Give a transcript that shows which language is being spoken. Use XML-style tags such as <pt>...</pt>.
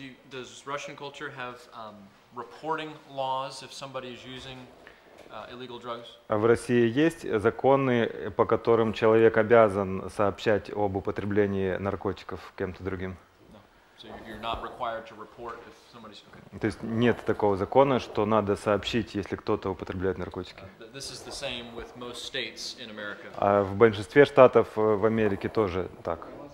<en>Does Russian culture have reporting laws if somebody is using illegal drugs?</en> <ru>В России есть законы, по которым человек обязан сообщать об употреблении наркотиков кем-то другим?</ru> <en>No. So you're not required to report if somebody's... Okay.</en> <ru>То есть нет такого закона, что надо сообщить, если кто-то употребляет наркотики.</ru> <en>This is the same with most states in America.</en> <ru>А в большинстве штатов в Америке тоже так.</ru>